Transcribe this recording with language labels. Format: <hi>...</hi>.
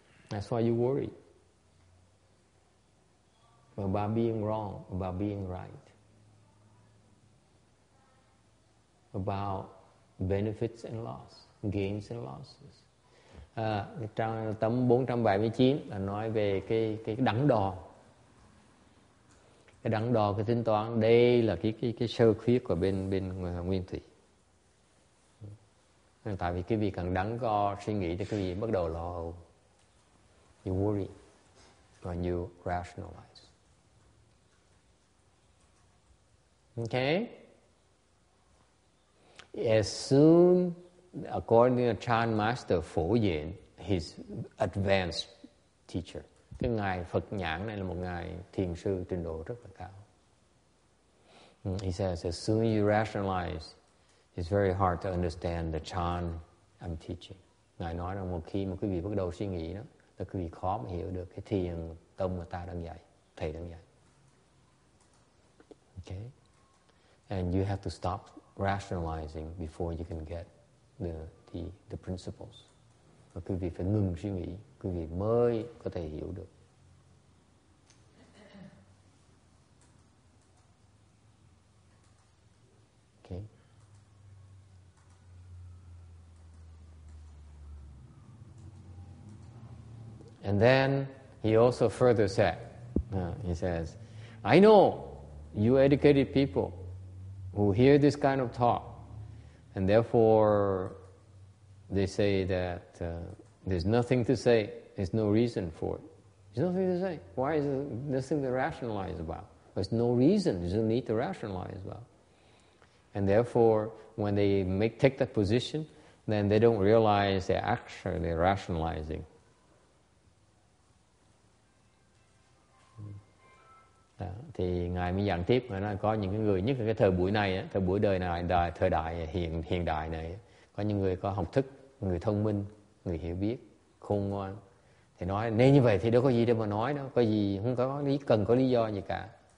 <en>That's why you worry about being wrong, about being right, about benefits and loss, gains and losses.</en> <vi>Trang tâm 479 là nói về cái đắn đo. Cái đắn đo, cái tính toán, đây là cái sơ khuyết của bên nguyên thủy. Tại vì cái vị cần đắn đo suy nghĩ thì cái vị bắt đầu lo âu.</vi> <en>You worry when you rationalize. Okay? As soon, according to Chan Master Phổ Diện, his advanced teacher,</en> <vi>cái ngài Phật Nhãn này là một ngài thiền sư trình độ rất là cao.</vi> <en>He says, as soon as you rationalize, it's very hard to understand the Chan I'm teaching.</en> <vi>Ngài nói rằng một khi mà quý vị bắt đầu suy nghĩ đó, là quý vị khó mà hiểu được cái thiền tông mà ta đang dạy, thầy đang dạy.</vi> <en>Okay? And you have to stop rationalizing before you can get the principles.</en> <vi>Và quý vị phải ngừng suy nghĩ, quý vị mới có thể hiểu được.</vi> <en>And then he also further said, he says, I know you educated people who hear this kind of talk, and therefore they say that there's nothing to say, there's no reason for it. There's nothing to say. Why is there nothing to rationalize about? There's no reason, there's no need to rationalize about. And therefore, when they take that position, then they don't realize they're actually rationalizing.</en> <vi>Thì ngài mới giảng tiếp, ngài nói có những cái người, nhất là cái thời buổi này, thời buổi đời này, thời đại hiện đại này, có những người có học thức, người thông minh, người hiểu biết, khôn ngoan. Thì nói nên như vậy thì đâu có gì để mà nói đâu, có gì không có lý, cần có lý do gì cả.</vi>